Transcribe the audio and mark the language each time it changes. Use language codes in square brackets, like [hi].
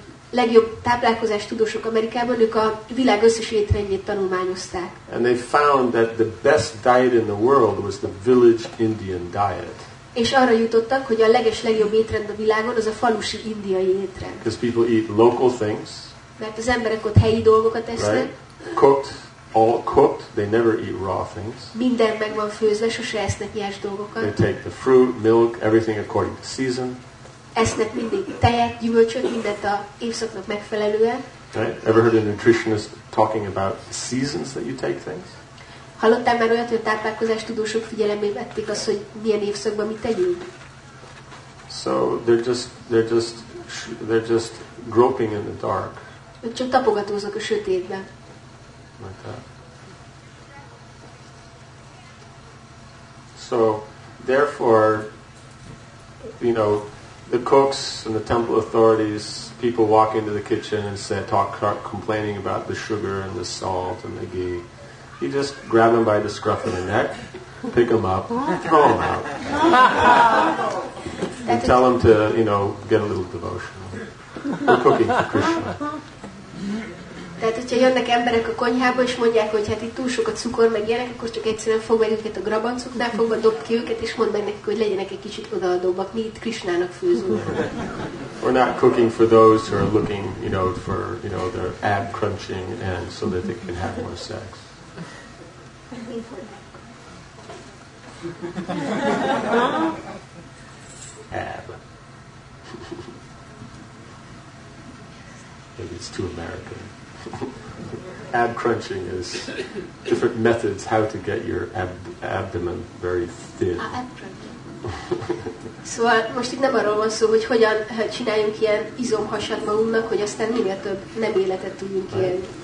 [hu] Legjobb táplálkozás tudósok Amerikában, ők a világ összes étrendjét tanulmányozták. [en] And they found that the best diet in the world was the village Indian diet. [hu] És arra jutottak, hogy a legjobb étrend a világon az a falusi indiai étrend. [en] Because people eat local things. [hu] Mert az emberek ott helyi dolgokat esznek. [en] Right. Cooked, all cooked, they never eat raw things. [hu] Minden meg van főzve, sose esznek ilyes dolgokat. [en] They take the fruit, milk, everything according to season. [hu] esznek mindig tejet, gyümölcsöt, mindent a évszaknak megfelelően. [en] Right? Ever heard a nutritionist talking about the seasons that you take things? [hu] Hallottál már olyat, hogy a táplálkozás tudósok figyelembe vették azt, hogy milyen évszakban mit tegyünk? [en] So they're just groping in the dark. [hu] Ők csak tapogatóznak a sötétben. [en] Like that. So therefore, you know, the cooks and the temple authorities, people walk into the kitchen and say, talk complaining about the sugar and the salt and the ghee. You just grab them by the scruff of the neck, pick them up, throw them out, and tell them to, you know, get a little devotion. We're cooking for Krishna. [hu] Tehát, hogyha jönnek emberek a konyhába, és mondják, hogy hát itt túl sokat cukor meg ilyenek, akkor csak egyszerűen fog meg őket a grabancoknál, fogva dob ki őket, és mond meg nekik, hogy legyenek egy kicsit odaadóbbak. Mi itt Krishnának főzünk. [en] We're not cooking for those who are looking, you know, for, you know, their ab crunching and so that they can have more sex. Ab. Maybe it's too American. Ab crunching is different methods how to get your abdomen very thin. [hu] Szóval most itt nem arról van szó, hogy hogyan csináljunk ilyen izomhasat magunknak, hogy aztán minél több nem életet tudjunk élni.